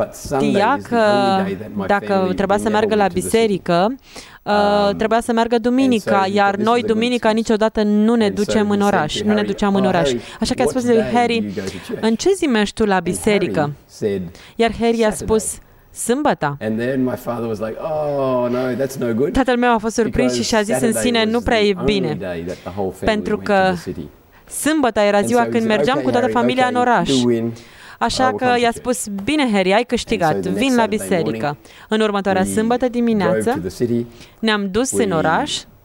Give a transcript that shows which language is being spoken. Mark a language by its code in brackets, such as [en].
[ro] Știa că dacă trebuia să meargă la biserică, trebuia să meargă duminica, iar noi duminica niciodată nu ne ducem în oraș, nu ne duceam în oraș. Așa că a spus lui Harry: în ce zi mergi tu la biserică? Iar Harry a spus: sâmbăta. [en] And then my father was like, oh no, that's no good. [ro] Tatăl meu a fost surprins și și-a zis în sine: nu prea e bine. Pentru că sâmbăta era ziua când mergeam cu toată familia în oraș. Așa că i-a spus: bine, Harry, ai câștigat, vin la biserică. În următoarea sâmbătă dimineață, ne-am dus în oraș.